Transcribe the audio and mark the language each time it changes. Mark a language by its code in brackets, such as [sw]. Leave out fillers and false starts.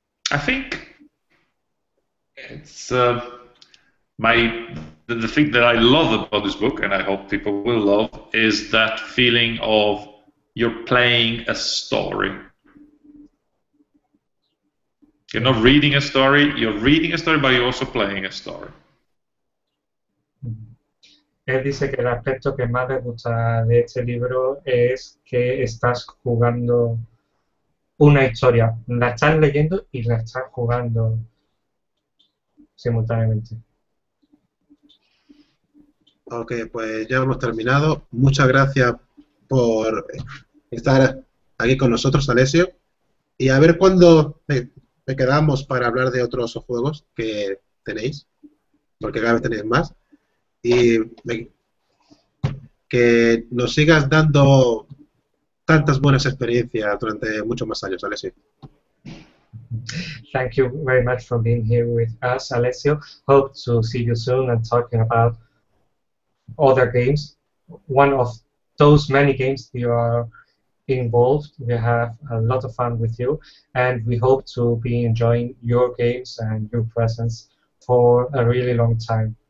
[en] I think it's the thing that I love about this book, and I hope people will love, is that feeling of you're playing a story. You're not reading a story, you're reading a story, but you're also playing a story. [es] Él dice que el aspecto que más le gusta de este libro es que estás jugando una historia, la están leyendo y la están jugando simultáneamente. Ok, pues ya hemos terminado. Muchas gracias por estar aquí con nosotros, Alessio. Y a ver cuándo que quedamos para hablar de otros juegos que tenéis, porque cada vez tenéis más, y que nos sigas dando tantas buenas experiencias durante muchos más años, Alessio. [en] Thank you very much for being here with us, Alessio. Hope to see you soon and talking about other games. One of those many games you are involved. We have a lot of fun with you, and we hope to be enjoying your games and your presence for a really long time.